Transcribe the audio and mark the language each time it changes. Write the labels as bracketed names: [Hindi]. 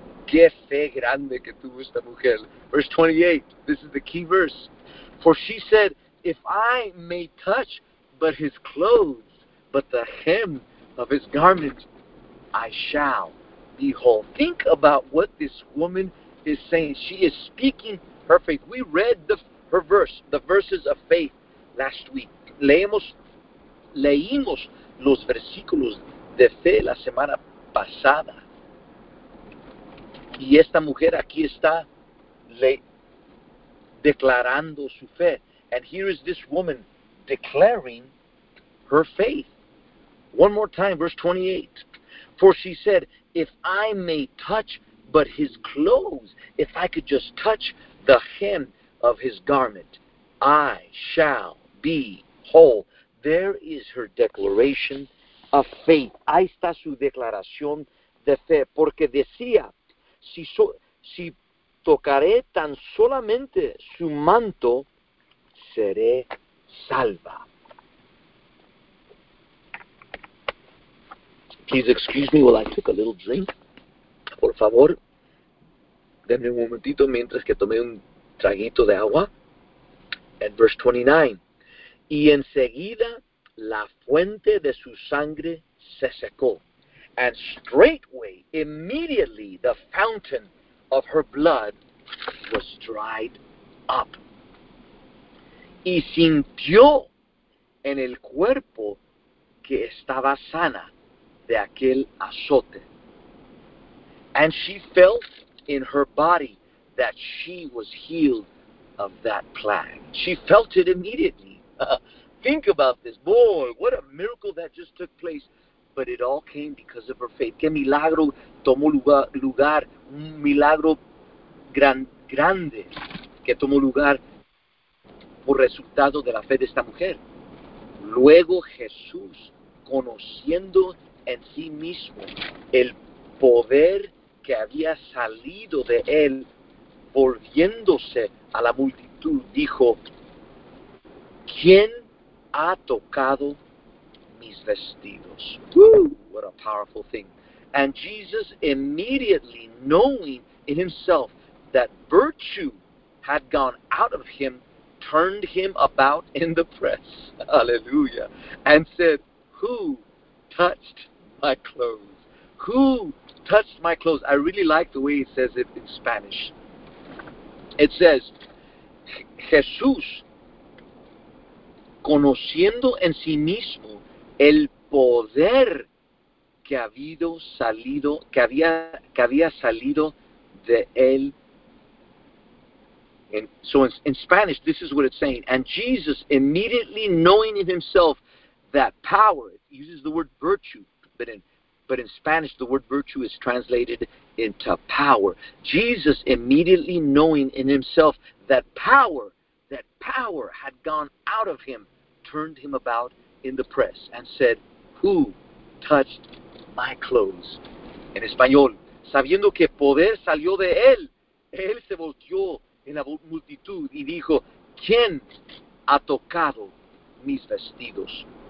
[Spanish] ¡Qué fe grande que tuvo esta mujer! [English] Verse 28, this is the key verse. For she said, if I may touch but his clothes, but the hem of his garment, I shall be whole. Think about what this woman is saying. She is speaking her faith. We read the verses of faith last week. [Spanish] Leímos los versículos de fe la semana pasada. Y esta mujer aquí está declarando su fe. [English] And here is this woman declaring her faith. One more time, verse 28. For she said, if I may touch but his clothes, if I could just touch the hem of his garment, I shall be whole. There is her declaration of faith. [Spanish] Ahí está su declaración de fe. Porque decía, si tocaré tan solamente su manto, seré salva. [English] Please excuse me while I took a little drink. [Spanish] Por favor, denme un momentito mientras que tomé un traguito de agua. [English] And verse 29. [Spanish] Y enseguida la fuente de su sangre se secó. [English] And straightway, immediately, the fountain of her blood was dried up. [Spanish] Y sintió en el cuerpo que estaba sana de aquel azote. [English] And she felt in her body that she was healed of that plague. She felt it immediately. Think about this. Boy, what a miracle that just took place. But it all came because of her faith. [Spanish] Qué milagro tomó lugar. Un milagro grande que tomó lugar por resultado de la fe de esta mujer. Luego Jesús, conociendo en sí mismo el poder que había salido de él, volviéndose a la multitud, dijo, ¿quién ha tocado mis vestidos? Woo! [English] What a powerful thing. And Jesus, immediately knowing in himself that virtue had gone out of him, turned him about in the press, hallelujah, and said, who touched my clothes? Who touched my clothes? I really like the way it says it in Spanish. It says, [Spanish] Jesús, conociendo en sí mismo el poder que había salido de él. [English] And so in Spanish, this is what it's saying. And Jesus, immediately knowing in himself that power, it uses the word virtue, but in Spanish, the word virtue is translated into power. Jesus, immediately knowing in himself that power had gone out of him, turned him about in the press and said, who touched my clothes? [Spanish] En español, sabiendo que poder salió de él, él se volteó en la multitud y dijo, ¿quién ha tocado mis vestidos?